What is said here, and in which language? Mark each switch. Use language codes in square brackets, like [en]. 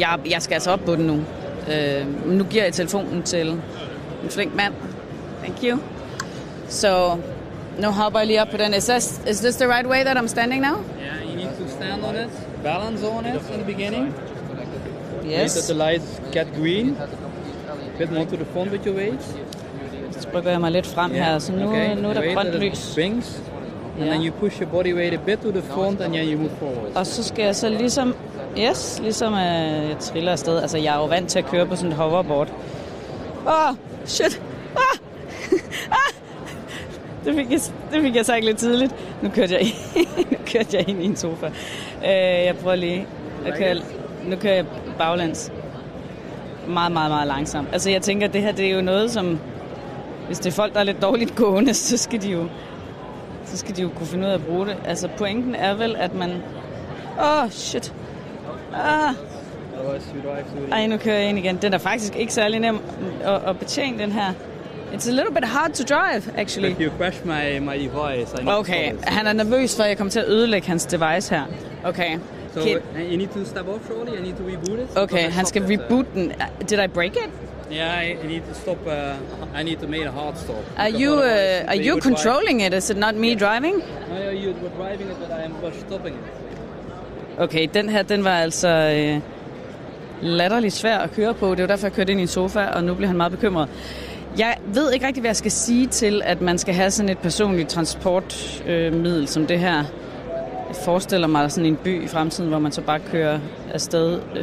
[da] Jeg skal altså op på den nu. Nu giver jeg telefonen til en flink mand. [en] Thank you. [da] So, nu hopper jeg lige op på den. [en] Is this the right way that I'm standing now? Yeah, you need to stand on it. Balance on it in the beginning. Yes. Make the lights get green. Get more to the front with your weight. [da] Så prøver jeg mig lidt frem her. Så nu, okay. Nu er der grønt lys. [en] Swings. And yeah. Then you push your body weight a bit to the front and then you move forward. [da] Og så skal jeg så ligesom... Yes, ligesom jeg triller afsted. Altså, jeg er jo vant til at køre på sådan et hoverboard. Åh, shit! Det fik jeg sagt lidt tidligt. Nu kørte jeg ind i en sofa. Jeg prøver lige. Nu kører jeg baglæns. Meget, meget, meget langsomt. Altså, jeg tænker, det her, det er jo noget, som... Hvis det er folk, der er lidt dårligt gående, så skal de jo kunne finde ud af at bruge det. Altså, pointen er vel, at man... shit! Ej, nu kører jeg ind igen. Den er faktisk ikke særlig nem at betjene, den her. [en] It's a little bit hard to drive, actually. If you crash my device, I need okay, to [da] han er nervøs for, at jeg kommer til at ødelægge hans device her. Okay. [en] So, can... you need to step off, surely? You need to reboot it? [da] Okay, han skal reboot den. [en] Did I break it? Yeah, I need to stop. I need to make a hard stop. Are you controlling drive. It? Is it not me driving? No, you were driving it, but I am stopping it. [da] Okay, den her, den var altså latterligt svær at køre på. Det var derfor, jeg kørte ind i en sofa, og nu bliver han meget bekymret. Jeg ved ikke rigtig, hvad jeg skal sige til, at man skal have sådan et personligt transportmiddel som det her. Jeg forestiller mig sådan en by i fremtiden, hvor man så bare kører afsted.